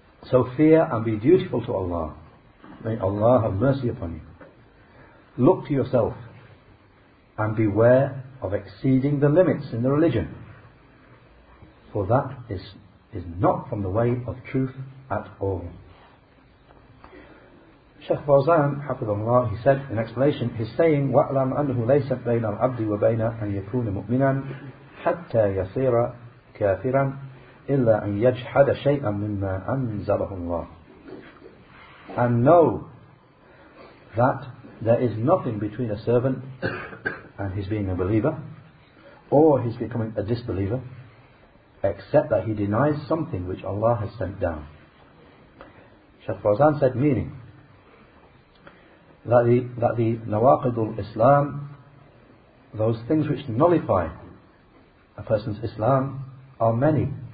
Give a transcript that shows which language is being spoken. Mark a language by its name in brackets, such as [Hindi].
[English] So fear and be dutiful to Allah. May Allah have mercy upon you. Look to yourself and beware of exceeding the limits in the religion, for that is not from the way of truth at all. Shaykh Fawzan, hafidhahullah, he said in explanation, he's saying, [Arabic] وَأَلَمْ أَنْهُ لَيْسَ بَيْنَ الْعَبْدِ وَبَيْنَ أَنْ يَكُونَ مُؤْمِنًا حَتَّى يَصِيرَ كَافِرًا إِلَّا أَنْ يَجْحَدَ شَيْئًا مِمَّا أَنْزَلَهُ اللَّهُ. [English] And know that there is nothing between a servant and his being a believer, or his becoming a disbeliever, except that he denies something which Allah has sent down. Shaykh Fawzan said, meaning that the nawaqidul Islam, those things which nullify a person's Islam, are many.